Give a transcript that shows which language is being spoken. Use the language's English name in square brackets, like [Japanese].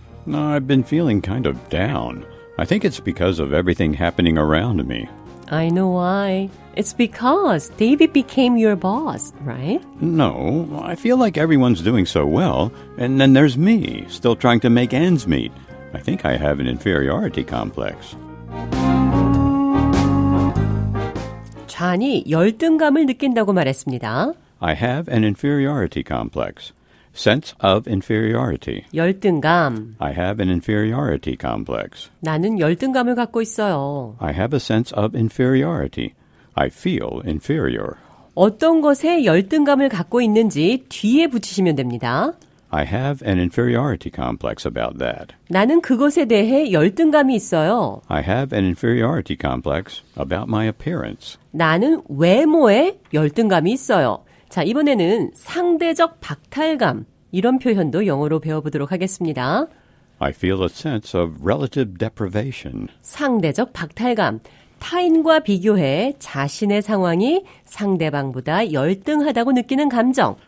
[English] No, I've been feeling kind of down. I think it's because of everything happening around me. I know why. It's because David became your boss, right? No, I feel like everyone's doing so well, and then there's me, still trying to make ends meet. I think I have an inferiority complex. [Korean] 존이 열등감을 느낀다고 말했습니다. [English] I have an inferiority complex. Sense of inferiority. [Korean] 열등감. [English] I have an inferiority complex. [Korean] 나는 열등감을 갖고 있어요. [English] I have a sense of inferiority. I feel inferior. [Korean] 어떤 것에 열등감을 갖고 있는지 뒤에 붙이시면 됩니다. [English] I have an inferiority complex about that. [Korean] 나는 그것에 대해 열등감이 있어요. [English] I have an inferiority complex about my appearance. [Korean] 나는 외모에 열등감이 있어요. 자, 이번에는 상대적 박탈감, 이런 표현도 영어로 배워보도록 하겠습니다. [English] I feel a sense of relative deprivation. [Korean] 상대적 박탈감, 타인과 비교해 자신의 상황이 상대방보다 열등하다고 느끼는 감정.